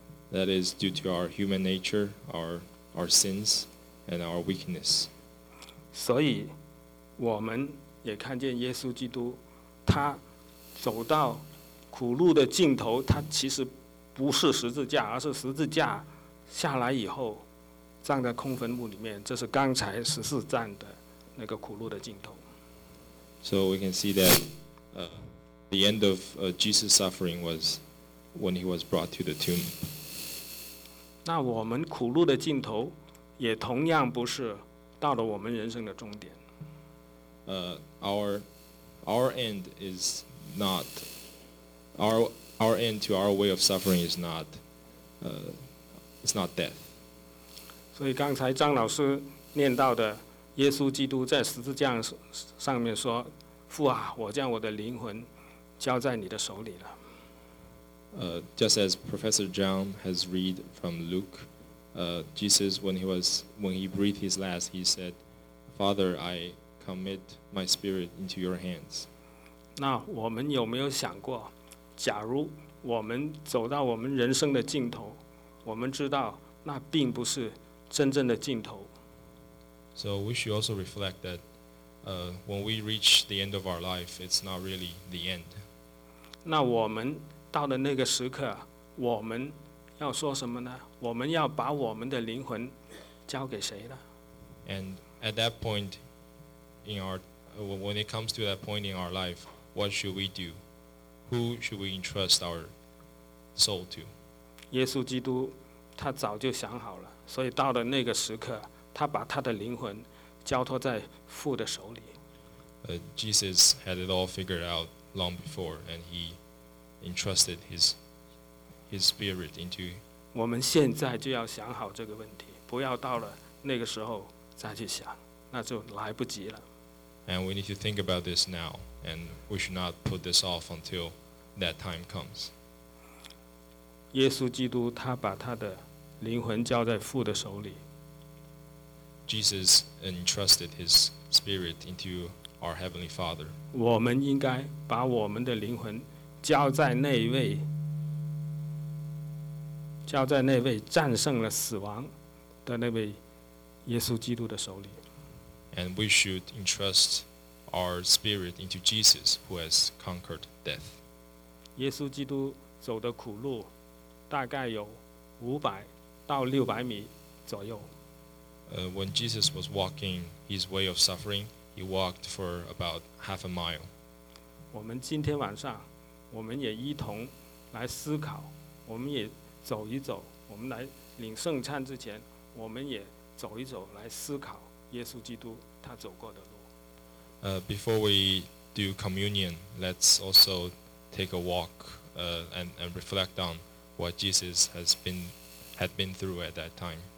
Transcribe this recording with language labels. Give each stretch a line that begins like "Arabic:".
English: That is due to our human nature, our sins and our weakness.
Chinese: 所以我们也看见耶稣基督，他走到苦路的尽头，它其实不是十字架，而是十字架下来以后，葬在空坟墓里面。这是刚才十四站的那个苦路的尽头。
English: So we can see that, the end of Jesus' suffering was when he was brought to the tomb.
Chinese: 那我们苦路的尽头，也同样不是到了我们人生的终点。
English: Our end is not. Our end to our way of suffering is not, it's not death.
Chinese: 所以刚才张老师念到的，耶稣基督在十字架上面说：“父啊，我将我的灵魂交在你的手里了。”
English: Just as Professor John has read from Luke, Jesus, when he breathed his last, he said, "Father, I commit my spirit into your hands."
Chinese: 那我们有没有想过？假如我们走到我们人生的尽头，我们知道那并不是真正的尽头。
English: So we should also reflect that, when we reach the end of our life, it's not really the end.
Chinese: 那我们到的那个时刻，我们要说什么呢？我们要把我们的灵魂交给谁呢？
English: And at that point, when it comes to that point in our life, what should we do? Who should we entrust our soul to?
Chinese: 耶稣基督他早就想好了，所以到了那个时刻，他把他的灵魂交托在父的手里。
English: Jesus had it all figured out long before, and he entrusted his spirit into.
Chinese: 我们现在就要想好这个问题，不要到了那个时候再去想，那就来不及了。
English: And we need to think about this now. And we should not put this off until that time comes.
Chinese: 耶稣基督他把他的灵魂交在父的手里。
English: Jesus entrusted his spirit into our heavenly Father.
Chinese: 我们应该把我们的灵魂交在那位战胜了死亡的那位耶稣基督的手里。
English: And we should entrust. Our spirit into Jesus who has conquered death.
Chinese: 耶稣基督走的苦路大概有500到600米左右。
English: When Jesus was walking his way of suffering, he walked for about half a mile.
Chinese: 我们今天晚上我们也一同来思考，我们也走一走，我们来领圣餐之前，我们也走一走来思考耶稣基督他走过的路。
English: Before we do communion, let's also take a walk and reflect on what Jesus had been through at that time.